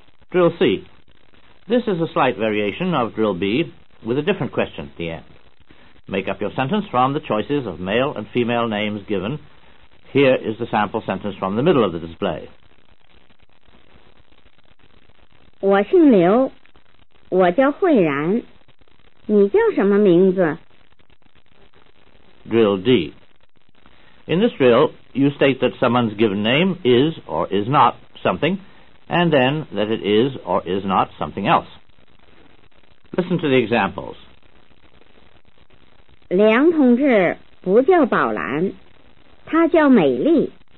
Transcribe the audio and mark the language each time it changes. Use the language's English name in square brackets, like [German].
[English] Drill C. This is a slight variation of drill B, with a different question at the end. Make up your sentence from the choices of male and female names given. Here is the sample sentence from the middle of the display. [Chinese] 我姓刘，我叫慧然，你叫什么名字？ [English] Drill D. In this drill, you state that someone's given name is or is not something, and then that it is or is not something else. Listen to the examples. [Chinese] 梁同志不叫宝兰，他叫美丽。